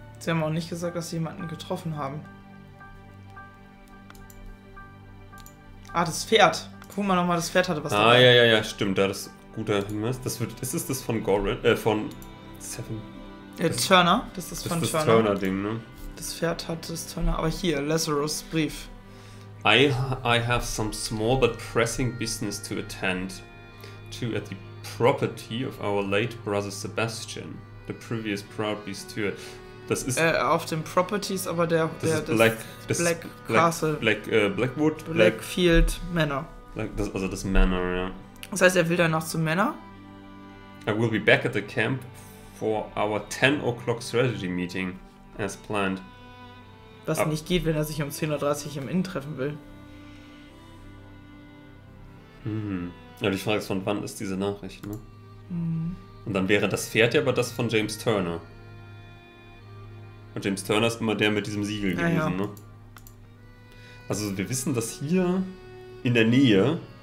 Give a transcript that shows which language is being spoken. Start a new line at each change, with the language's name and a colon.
German: Sie haben auch nicht gesagt, dass sie jemanden getroffen haben. Ah, das Pferd. Guck mal nochmal, das Pferd hatte was dabei. Ah, ja, stimmt. Da, das ist ein guter Hinweis. Das wird, ist es das von Goran, von Seven? Turner. Das ist das von Turner. Das ist das Turner-Ding, ne? Das Pferd hat das Turner. Aber hier, Lazarus, Brief.
English: I have some small but pressing business to attend to at the property of our late brother Sebastian, the previous proud steward.
German: Das ist auf dem Properties, aber der das der ist Black, das Black Castle. Black, Blackwood. Blackfield Black, Manor. Black, das, also das Manor, ja. Das heißt, er will danach zum Manor?
English: I will be back at the camp for our 10 o'clock strategy meeting as planned.
German: Was nicht geht, wenn er sich um 10.30 Uhr im Inn treffen will. Ja, die Frage ist, von wann ist diese Nachricht, ne? Und dann wäre das Pferd ja aber das von James Turner. Und James Turner ist immer der mit diesem Siegel gewesen, ja. ne? Also wir wissen, dass hier in der Nähe...